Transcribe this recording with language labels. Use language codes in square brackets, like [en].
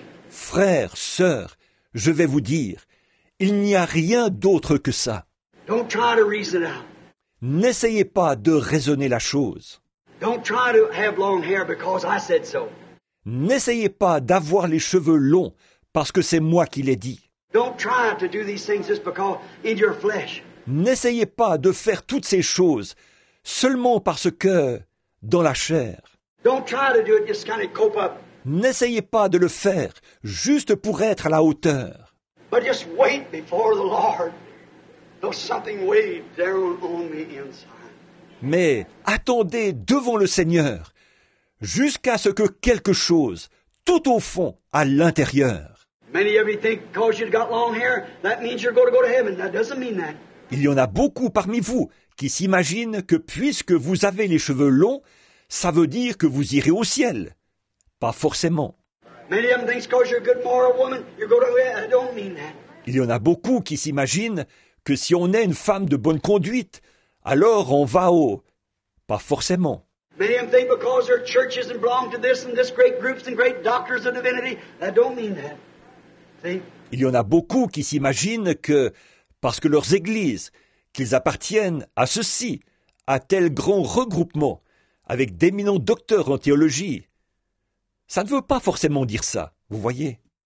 [fr] Frère, sœur, je vais vous dire, il n'y a rien d'autre que ça. [en] Don't try to reason out. [fr] N'essayez pas de raisonner la chose. [en] Don't try to have long hair because I said so. [fr] N'essayez pas d'avoir les cheveux longs parce que c'est moi qui l'ai dit. [en] Don't try to do these things just because in your flesh. [fr] N'essayez pas de faire toutes ces choses seulement parce que dans la chair. [en] Don't try to do it just kind of cope up. [fr] N'essayez pas de le faire juste pour être à la hauteur. [en] But just wait before the Lord. Though something weighed there on the inside. [fr] Mais attendez devant le Seigneur jusqu'à ce que quelque chose, tout au fond, à l'intérieur. [en] Many of you think because you've got long hair, that means you're going to go to heaven. That doesn't mean that. [fr] Il y en a beaucoup parmi vous qui s'imaginent que puisque vous avez les cheveux longs, ça veut dire que vous irez au ciel. Pas forcément. [en] Many of them think because you're a good moral woman, you're going to heaven. I don't mean that. [fr] Il y en a beaucoup qui s'imaginent que si on est une femme de bonne conduite, alors on va au. Pas forcément. [en] Many of them think because their churches and belong to this and this great groups and great doctors of divinity. I don't mean that. [fr] Il y en a beaucoup qui s'imaginent que, parce que leurs églises, qu'ils appartiennent à ceci, à tel grand regroupement, avec d'éminents docteurs en théologie, ça ne veut pas forcément dire ça, vous voyez.